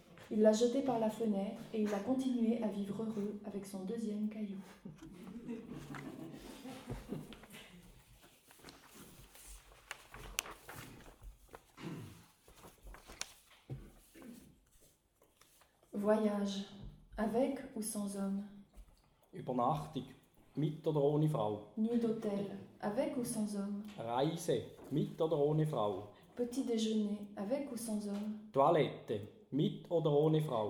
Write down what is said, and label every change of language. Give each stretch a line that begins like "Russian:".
French: Il l'a jeté par la fenêtre et il a continué à vivre heureux avec son deuxième caillou. Voyage, avec ou sans homme?
German: Übernachtung, mit oder ohne Frau?
French: Nuit d'hôtel, avec ou sans homme?
German: Reise, mit oder ohne Frau?
French: Petit déjeuner, avec ou sans homme?
German: Toilette, mit oder ohne Frau?